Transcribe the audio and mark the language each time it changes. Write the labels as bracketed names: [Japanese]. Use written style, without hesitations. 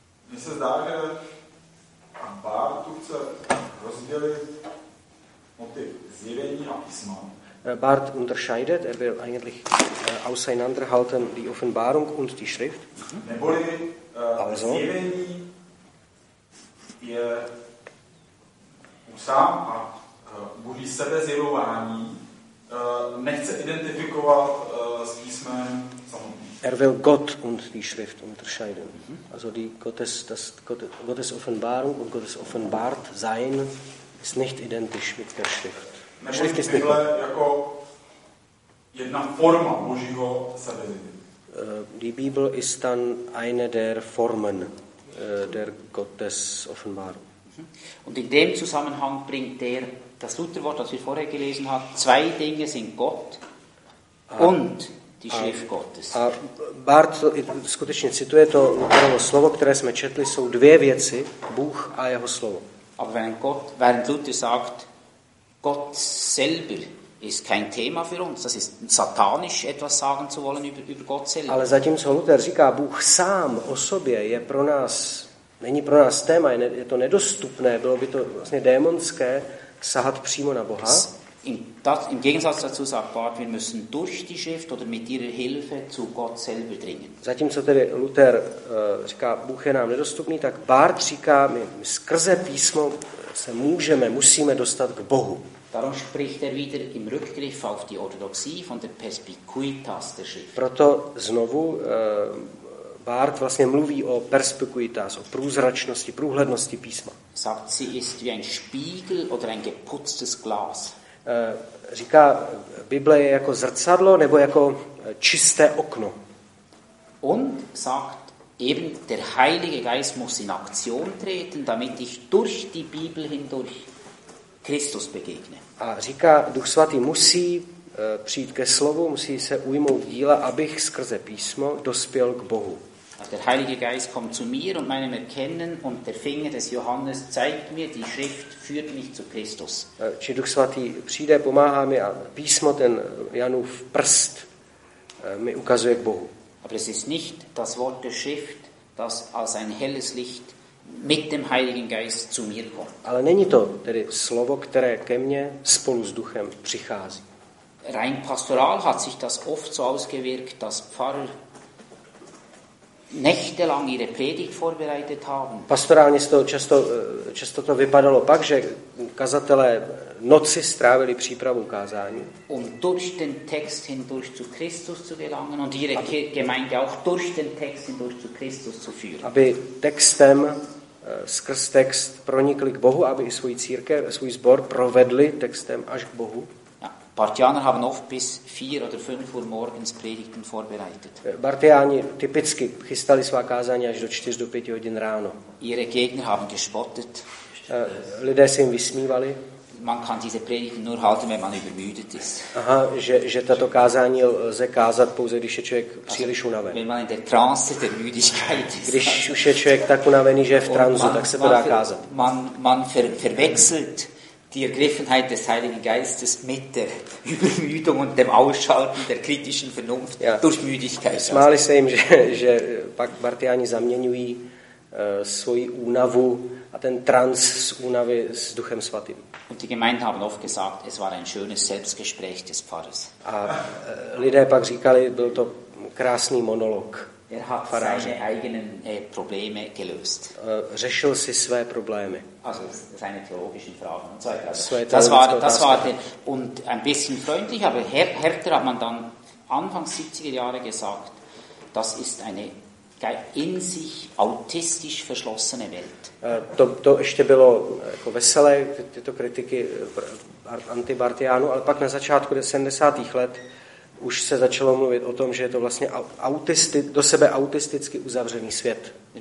[Czech] Mně se zdá, že Bár tu chce rozdělit zjevení a písma. [German] Bart unterscheidet, er will eigentlich auseinanderhalten die Offenbarung und die Schrift. [Czech] Neboli zjevení je u sám a budí sebezjevování nechce identifikovat s písmem samotným. [German] Er will Gott und die Schrift unterscheiden. Mm-hmm. Also die Gottes, das Gottes Offenbarung und Gottes offenbart sein ist nicht identisch mit der Schrift. [Czech] Nebo [German] Schrift ist nicht [Czech] jako jedna forma Božího sebezjevení. [German] Die Bibel ist dann eine der Formen der Gottes Offenbarung. Mm-hmm. Und in dem Zusammenhang bringt der das Lutherwort, das wir vorher gelesen haben, zwei Dinge sind Gott und die Schrift Gottes. [Czech] A Bart skutečně cituje to Lutherovo slovo, které jsme četli, jsou dvě věci, Bůh a jeho slovo. [German] Aber wenn Gott, während Luther sagt, Gott selber ist kein Thema für uns, das ist satanisch etwas sagen zu wollen über Gott selber. [Czech] Ale zatímco Luther říká, Bůh sám o sobě je pro nás, není pro nás téma, je to nedostupné, bylo by to vlastně démonské, sahat přímo na Boha. [German] Im Gegensatz dazu sagt Bart, wir müssen durch die Schrift oder mit ihrer Hilfe zu Gott selber dringen. [Czech] Zatímco tedy Luther říká, Bůh je nám nedostupný, tak Bart říká, my skrze písmo se musíme dostat k Bohu. [German] Darum spricht wieder im Rückgriff auf die Orthodoxie von der Perspicuitas der Schrift. [Czech] Proto znovu Bart vlastně mluví o perspicuitas, o průzračnosti, průhlednosti písma. [German] Sagt sie ist wie ein Spiegel oder ein geputztes Glas. [Czech] Říká, Bible je jako zrcadlo nebo jako čisté okno. [German] Und sagt eben der Heilige Geist muss in Aktion treten, damit ich durch die Bibel hindurch Christus begegne. [Czech] A říká, Duch Svatý musí přijít ke slovu, musí se ujmout díla, abych skrze písmo dospěl k Bohu. [German] Der Heilige Geist kommt zu mir und meinem Erkennen und der Finger des Johannes zeigt mir, die Schrift führt mich zu Christus. [Czech] Čili Duch Svatý přijde, pomáhá mi a písmo, ten Janův prst, mi ukazuje k Bohu. [German] Aber es ist nicht das Wort der Schrift, das als ein helles Licht mit dem Heiligen Geist zu mir kommt. [Czech] Ale není to tedy slovo, které ke mně spolu s Duchem přichází. [German] Rein pastoral hat sich das oft so ausgewirkt, dass Pfarrer nächtelang ihre Predigt vorbereitet haben. [Czech] Pastorálně se to často to vypadalo pak, že kazatelé noci strávili přípravu kázání. [German] Um durch den Text hindurch zu Christus zu gelangen und ihre Gemeinde auch durch den Text hindurch zu Christus zu führen. [Czech] Aby textem skrz text pronikli k Bohu, aby i svůj církev, svůj sbor provedli textem až k Bohu. [German] Partianer haben oft bis 4 oder 5 Uhr morgens Predigten vorbereitet. [Czech] Partiani typicky chystali svá kázání až do 4 do 5 hodin ráno. [German] Ihre Gegner haben gespottet. [Czech] Lidé se jim vysmívali. [German] Man kann diese Predigten nur halten, wenn man übermüdet ist. [Czech] Aha, že tato kázání lze kázat pouze, když je člověk příliš unaven. [German] Wenn man in der Trance der Müdigkeit ist. [Czech] Když už je člověk tak unavený, že je v tranzu, tak se to dá kázat. [German] Man verwechselt die Ergriffenheit des Heiligen Geistes mit der Übermüdung und dem Ausschalten der kritischen Vernunft ja. Durch Müdigkeit. [Czech] Smáli se jim, že pak Bartiani zaměňují svoji únavu a ten trans z únavy s Duchem Svatým. [German] Und die Gemeinden haben oft gesagt, es war ein schönes Selbstgespräch des Pfarrers. [Czech] A lidé pak říkali, byl to krásný monolog. [German] Er hat seine eigenen Probleme gelöst. [Czech] Řešil si své problémy. [German] Also seine theologischen Fragen und so weiter. Das war der, und ein bisschen freundlich, aber härter hat man dann Anfang 70er Jahre gesagt, das ist eine in sich autistisch verschlossene Welt. [Czech] To ještě bylo jako veselé, tyto kritiky anti-Bartiánu, ale pak na začátku 70. let už se začalo mluvit o tom, že je to vlastně do sebe autisticky uzavřený svět.